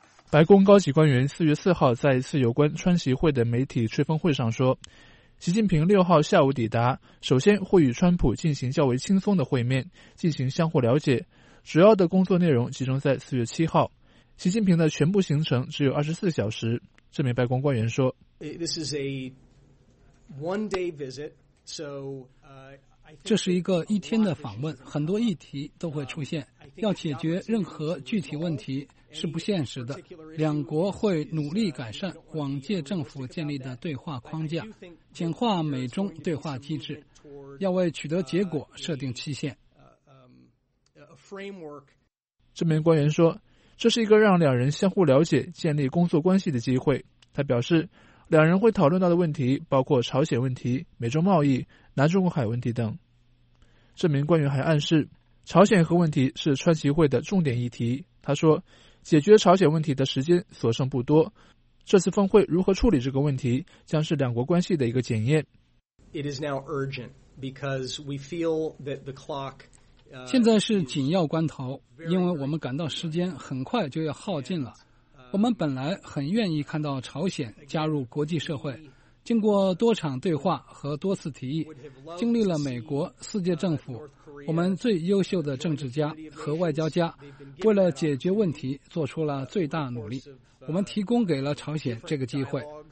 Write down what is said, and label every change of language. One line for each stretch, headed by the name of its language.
Chinese: 白宫高级官员4月4号在一次有关川习会的媒体吹风会上说，习近平6号下午抵达，首先会与川普进行较为轻松的会面，进行相互了解，主要的工作内容集中在4月7号。习近平的全部行程只有24小时，这名白宫官员说。
English: This is a one-day visit, so...
Chinese: 这是一个一天的访问，很多议题都会出现，要解决任何具体问题是不现实的。两国会努力改善往届政府建立的对话框架，简化美中对话机制，要为取得结果设定期限。这名官员说，这是一个让两人相互了解、建立工作关系的机会。他表示，两人会讨论到的问题包括朝鲜问题、美中贸易、南中国海问题等。这名官员还暗示，朝鲜核问题是川习会的重点议题。他说，解决朝鲜问题的时间所剩不多，这次峰会如何处理这个问题将是两国关系的一个检验。
English: It is now urgent because we feel that the clock...
Chinese: 现在是紧要关头，因为我们感到时间很快就要耗尽了。我们本来很愿意看到朝鲜加入国际社会，经过多场对话和多次提议，经历了美国四届政府，我们最优秀的政治家和外交家为了解决问题做出了最大努力，我们提供给了朝鲜这个机会。